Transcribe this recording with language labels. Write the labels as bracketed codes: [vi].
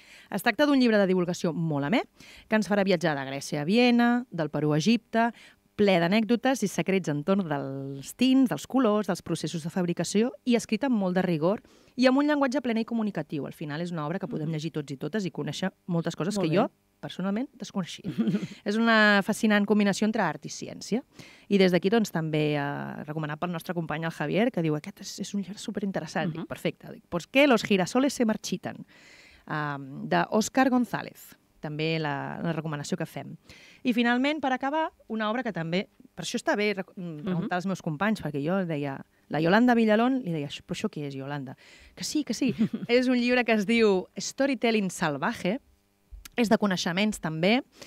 [ca] Es tracta d'un llibre de divulgació molt amè, que ens farà viatjar de Grècia a Viena, del Perú a Egipte, ple d'anècdotes i secrets entorn dels tints, dels colors, dels processos de fabricació, i escrit amb molt de rigor i amb un llenguatge plena i comunicatiu. Al final és una obra que podem llegir tots i totes i conèixer moltes coses molt que bé. Jo, personalment, desconeixia. És una fascinant combinació entre art i ciència. I des d'aquí, doncs, també recomanat pel nostre company, el Javier, que diu aquest és un llibre superinteressant. Dic, perfecte. Dic, [es] pues, ¿qué los girasoles se marchitan? [ca] D'Òscar González. També la recomanació que fem. I finalment, per acabar, una obra que també... Per això està bé preguntar als meus companys, perquè jo deia... La Yolanda Villalón li deia, però això què és, Yolanda? Que sí, que sí. És un llibre que es diu Storytelling Salvaje. És de coneixements, també.